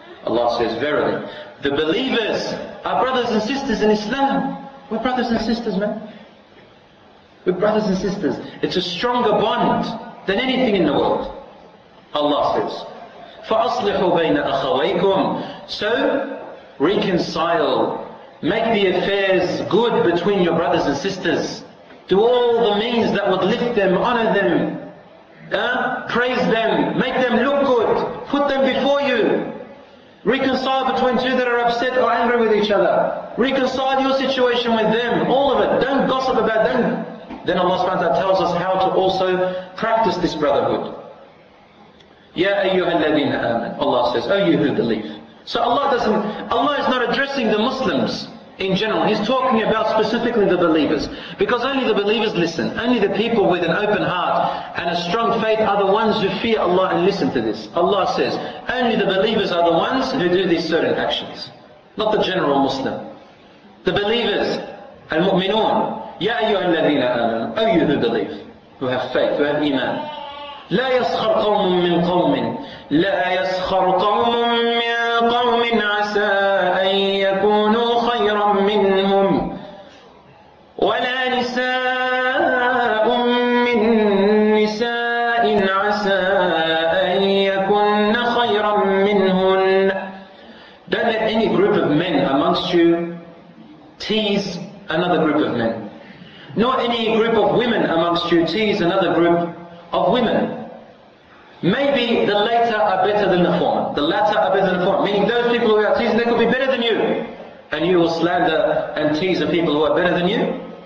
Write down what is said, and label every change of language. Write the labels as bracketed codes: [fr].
[en] Allah says, verily, the believers are brothers and sisters in Islam. We're brothers and sisters, man. We're brothers and sisters. It's a stronger bond than anything in the world. Allah says, [ar] فَأَصْلِحُوا بَيْنَ أَخَوَيْكُمْ. [en] So, reconcile. Make the affairs good between your brothers and sisters. Do all the means that would lift them, honor them, praise them, make them look good, put them before you. Reconcile between two that are upset or angry with each other. Reconcile your situation with them, all of it. Don't gossip about them. Then Allah subhanahu wa ta'ala tells us how to also practice this brotherhood. [ar] Ya ayyuha alladhina aman, [en] Allah says, oh you who believe. So Allah is not addressing the Muslims in general. He's talking about specifically the believers. Because only the believers listen. Only the people with an open heart and a strong faith are the ones who fear Allah and listen to this. Allah says, only the believers are the ones who do these certain actions. Not the general Muslim. The believers, al-mu'minun, [ar] ya ayyuha alladhina aman, [en] oh you who believe, who have faith, who have iman. [ar] لا يسخر قوم من قوم لا يسخر قوم من قوم عسى أن يكونوا خيرا منهم ولا نساء من نساء عسى أن يكون خيرا منهن. [en] Don't let any group of men amongst you tease another group of men, nor any group of women amongst you tease another group of women. Maybe the latter are better than the former. The latter are better than the former. Meaning those people who are teasing, they could be better than you. And you will slander and tease the people who are better than you.